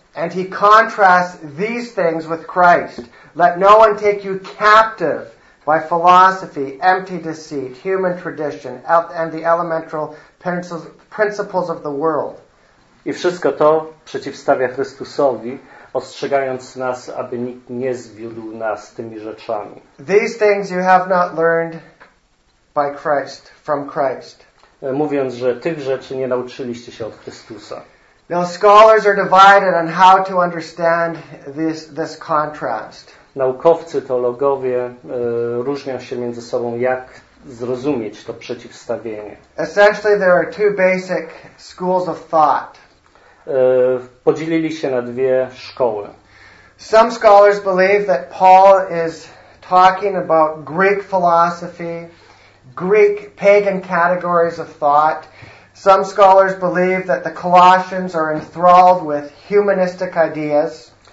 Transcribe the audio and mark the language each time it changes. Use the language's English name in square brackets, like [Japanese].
[English] And he contrasts these things with Christ. Let no one take you captive by philosophy, empty deceit, human tradition and the elemental principles of the world. [Polish] I wszystko to przeciwstawia Chrystusowi, ostrzegając nas, aby nikt nie zwiódł nas tymi rzeczami. [English] These things you have not learned by Christ, from Christ. [Polish] Mówiąc, że tych rzeczy nie nauczyliście się od Chrystusa. [English] Now scholars are divided on how to understand this contrast. [Polish] Naukowcy, teologowie różnią się między sobą, jak zrozumieć to przeciwstawienie. [English] Essentially there are two basic schools of thought. [Polish] Podzielili się na dwie szkoły. [English] Some scholars believe that Paul is talking about Greek philosophy, Greek pagan categories of thought. Some scholars believe that the Colossians are enthralled with humanistic ideas.